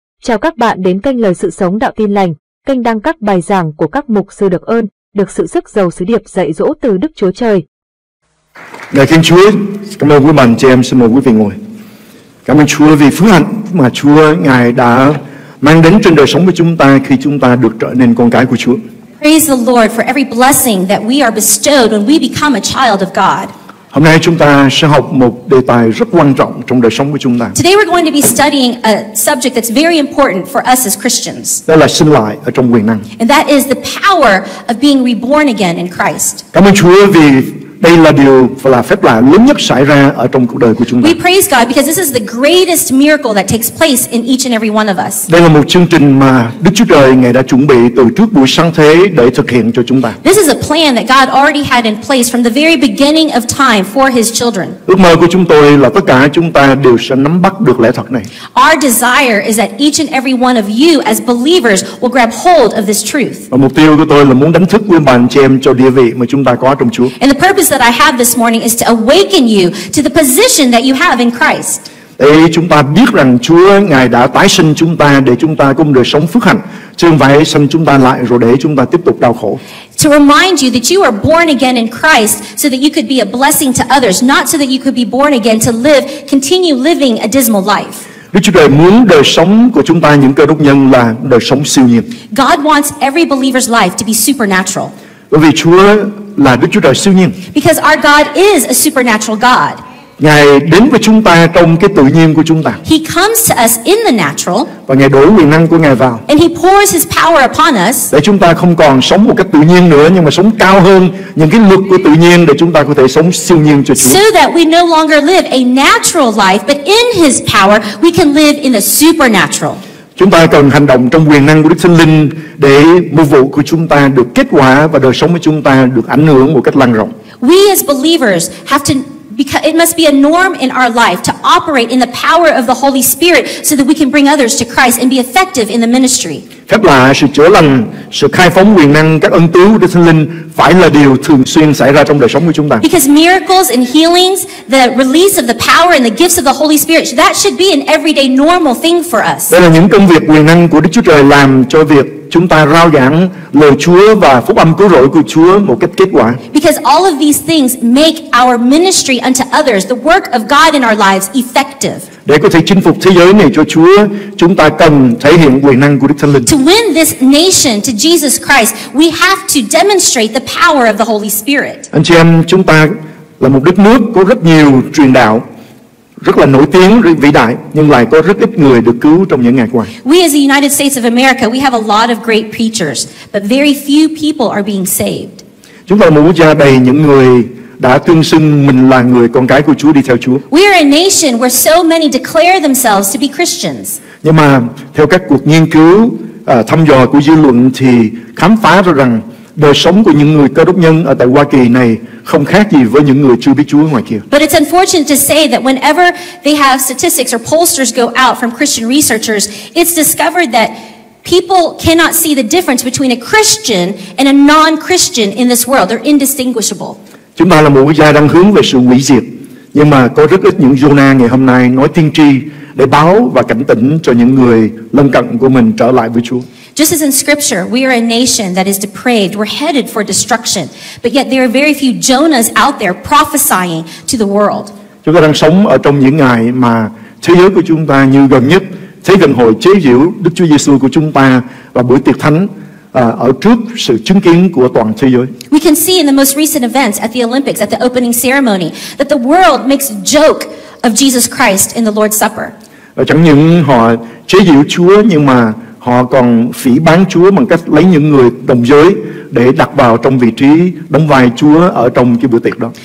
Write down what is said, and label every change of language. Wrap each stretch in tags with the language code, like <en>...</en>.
<vi>Chào các bạn đến kênh Lời Sự Sống Đạo Tin Lành, kênh đăng các bài giảng của các mục sư được ơn, được sự sức dầu sứ điệp dạy dỗ từ Đức Chúa Trời. Lạy Thiên Chúa, cảm ơn quý bạn chị em, xin mời quý vị ngồi. Cảm ơn Chúa vì phước hạnh mà Chúa Ngài đã mang đến trên đời sống của chúng ta khi chúng ta được trở nên con cái của Chúa.</vi> <en>Praise the Lord for every blessing that we are bestowed when we become a child of God.</en> <vi>Hôm nay chúng ta sẽ học một đề tài rất quan trọng trong đời sống của chúng ta.</vi> <en>Today we're going to be studying a subject that's very important for us as Christians.</en> <vi>Đó là sinh lại ở trong quyền năng.</vi> <en>And that is the power of being reborn again in Christ.</en> <vi>Cảm ơn Chúa vì đây là điều và là phép lạ lớn nhất xảy ra ở trong cuộc đời của chúng ta.</vi> <en>We praise God because this is the greatest miracle that takes place in each and every one of us.</en> <vi>Đây là một chương trình mà Đức Chúa Trời Ngài đã chuẩn bị từ trước buổi sáng thế để thực hiện cho chúng ta.</vi> <en>This is a plan that God already had in place from the very beginning of time for His children.</en> <vi>Ước mơ của chúng tôi là tất cả chúng ta đều sẽ nắm bắt được lẽ thật này.</vi> <en>Our desire is that each and every one of you as believers will grab hold of this truth.</en> <vi>Và mục tiêu của tôi là muốn đánh thức quý bạn chị em cho địa vị mà chúng ta có trong Chúa.</vi> <en>And the purpose that I have this morning is to awaken you to the position that you have in Christ.</en> <vi>Để chúng ta biết rằng Chúa Ngài đã tái sinh chúng ta để chúng ta cùng đời sống phước hạnh, chứ không phải sinh chúng ta lại rồi để chúng ta tiếp tục đau khổ.</vi> <en>To remind you that you are born again in Christ so that you could be a blessing to others, not so that you could be born again to live, continue living a dismal life.</en> <vi>Đức Chúa Trời muốn đời sống của chúng ta những cơ đốc nhân là đời sống siêu nhiên.</vi> <en>God wants every believer's life to be supernatural.</en> <vi>Bởi vì Chúa là Đức Chúa Trời siêu nhiên.</vi> <en>Because our God is a supernatural God.</en> <vi>Ngài đến với chúng ta trong cái tự nhiên của chúng ta.</vi> <en>He comes to us in the natural.</en> <vi>Và Ngài đổ quyền năng của Ngài vào.</vi> <en>And He pours His power upon us.</en> <vi>Để chúng ta không còn sống một cách tự nhiên nữa, nhưng mà sống cao hơn những cái luật của tự nhiên để chúng ta có thể sống siêu nhiên cho Chúa.</vi> <en>So that we no longer live a natural life, but in His power we can live in the supernatural.</en> <vi>Chúng ta cần hành động trong quyền năng của Đức Thánh Linh để mục vụ của chúng ta được kết quả và đời sống của chúng ta được ảnh hưởng một cách lan rộng.</vi> <en>We as believers have to, because it must be a norm in our life to operate in the power of the Holy Spirit so that we can bring others to Christ and be effective in the ministry.</en> <vi>Phép lạ, sự chữa lành, sự khai phóng quyền năng, các ân tứ của Đức Thánh Linh phải là điều thường xuyên xảy ra trong đời sống của chúng ta.</vi> <en>Because miracles and healings, the release of the power and the gifts of the Holy Spirit, that should be an everyday normal thing for us.</en> <vi>Đây là những công việc quyền năng của Đức Chúa Trời làm cho việc chúng ta rao giảng lời Chúa và phúc âm cứu rỗi của Chúa một cách kết quả.</vi> <en>Because all of these things make our ministry unto others, the work of God in our lives, effective.</en> <vi>Để có thể chinh phục thế giới này cho Chúa, chúng ta cần thể hiện quyền năng của Đức Thánh Linh.</vi> <en>To win this nation to Jesus Christ, we have to demonstrate the power of the Holy Spirit.</en> <vi>Anh chị em, chúng ta là một đất nước có rất nhiều truyền đạo, rất là nổi tiếng, rất vĩ đại, nhưng lại có rất ít người được cứu trong những ngày qua.</vi> <en>We as the United States of America, we have a lot of great preachers, but very few people are being saved.</en> <vi>Chúng ta là một quốc gia đầy những người đã tuyên xưng mình là người con cái của Chúa, đi theo Chúa.</vi> <en>We are a nation where so many declare themselves to be Christians.</en> <vi>Nhưng mà theo các cuộc nghiên cứu thăm dò của dư luận thì khám phá ra rằng đời sống của những người Cơ Đốc nhân ở tại Hoa Kỳ này không khác gì với những người chưa biết Chúa ngoài kia.</vi> <en>But it's unfortunate to say that whenever they have statistics or pollsters go out from Christian researchers, it's discovered that people cannot see the difference between a Christian and a non-Christian in this world. They're indistinguishable.</en> <vi>Chúng ta là một quốc gia đang hướng về sự hủy diệt, nhưng mà có rất ít những Jonah ngày hôm nay nói tiên tri để báo và cảnh tỉnh cho những người lân cận của mình trở lại với Chúa.</vi> <en>Just as in scripture, we are a nation that is depraved, we're headed for destruction, but yet there are very few Jonahs out there prophesying to the world.</en> <vi>Chúng ta đang sống ở trong những ngày mà thế giới của chúng ta như gần nhất thế gần hồi chế giễu Đức Chúa Giêsu của chúng ta và buổi tiệc thánh ở trước sự chứng kiến của toàn thế giới.</vi> <en>We can see in the most recent events at the Olympics, at the opening ceremony, that the world makes joke of Jesus Christ in the Lord's Supper.</en> <vi>Chẳng những họ chế giễu Chúa, nhưng mà họ còn phỉ báng Chúa bằng cách lấy những người đồng giới để đặt vào trong vị trí đóng vai Chúa ở trong cái bữa tiệc đó.</vi>